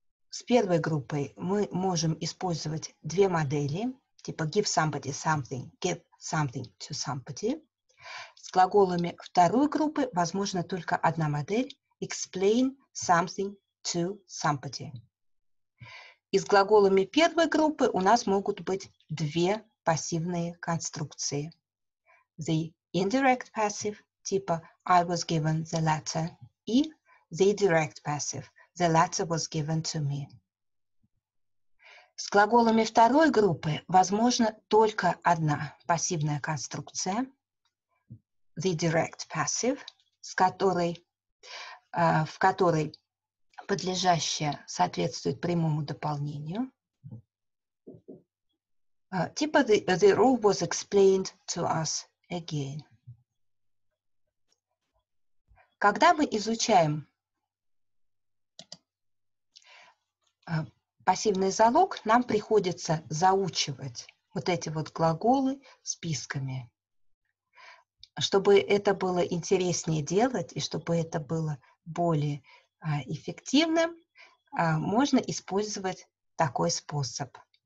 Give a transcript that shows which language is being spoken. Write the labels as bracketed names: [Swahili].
[Russian] С первой группой мы можем использовать две модели, типа [English] give somebody something, give something to somebody. [Russian] С глаголами второй группы возможна только одна модель, [English] explain something to somebody. [Russian] И с глаголами первой группы у нас могут быть две пассивные конструкции. [English] The indirect passive, [Russian] типа [English] I was given the letter, [Russian] и [English] the direct passive, the letter was given to me. [Russian] С глаголами второй группы возможна только одна пассивная конструкция, [English] the direct passive, [Russian] в которой подлежащее соответствует прямому дополнению. Типа [English] the rule was explained to us again. [Russian] Когда мы изучаем пассивный залог, нам приходится заучивать вот эти вот глаголы списками. Чтобы это было интереснее делать и чтобы это было более эффективным, можно использовать такой способ.